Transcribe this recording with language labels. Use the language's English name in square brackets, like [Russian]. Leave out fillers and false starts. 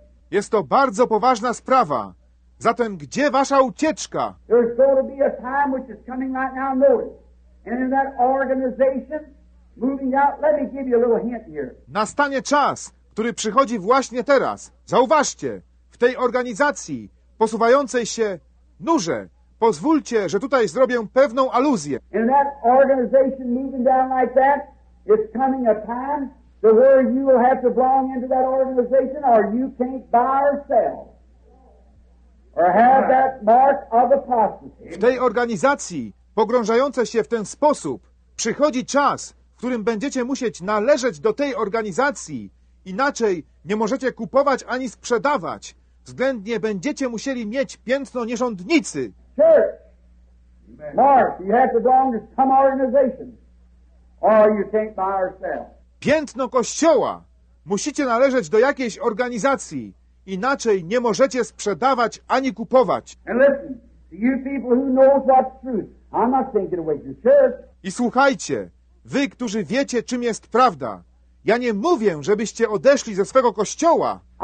[Polish] Jest to bardzo poważna sprawa. Zatem gdzie wasza ucieczka? [English] There's going to be a time which is coming right now, notice. And in that organization, moving out, let me give you a little hint here. [Polish] Nastanie czas, który przychodzi właśnie teraz. Zauważcie, w tej organizacji posuwającej się nurze, pozwólcie, że tutaj zrobię pewną aluzję. [English] In that organization moving down like that, it's coming a time that where you will have to belong into that organization or you can't buy or sell. Or have that mark of apostasy. [Polish] W tej organizacji pogrążającej się w ten sposób przychodzi czas, w którym będziecie musieć należeć do tej organizacji. Inaczej nie możecie kupować ani sprzedawać. Względnie będziecie musieli mieć piętno nierządnicy. [English] Church, mark, you have to belong to some organization, or you can't buy or sell. [Polish] Piętno kościoła. Musicie należeć do jakiejś organizacji. Inaczej nie możecie sprzedawać ani kupować. [English] And listen, to you people who know what's truth, I'm not thinking away your church. [Polish] I słuchajcie. Wy, którzy wiecie, czym jest prawda. Ja nie mówię, żebyście odeszli ze swego kościoła.